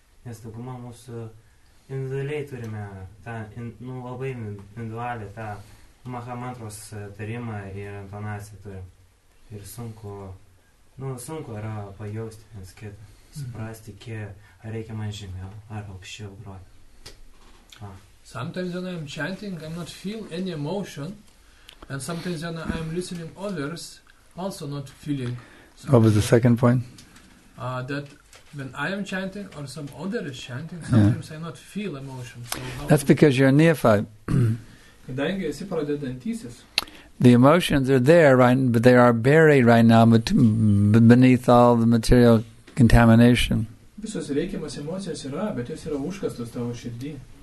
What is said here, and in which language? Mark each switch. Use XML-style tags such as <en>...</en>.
<lt>Nes dauguma mūsų individualiai turime tą, nu, labai individualią tą mahamantros tarimą ir intonaciją turim. Ir sunku, nu, sunku yra pajausti, nes kitą, suprasti, ar reikia man žemiau, ar aukščiau groti.</lt> <en>Sometimes when I'm chanting, I'm not feel any emotion. And sometimes when I'm listening others, also not feeling. Something. What was the second point? That when I am chanting or some other is chanting, sometimes yeah. I not feel emotion. So that's because you're a neophyte. The emotions are there, right? But they are buried right now beneath all the material contamination.</en> <lt>Visos reikiamos emocijos yra, bet jos yra užkastos tavo širdy.</lt>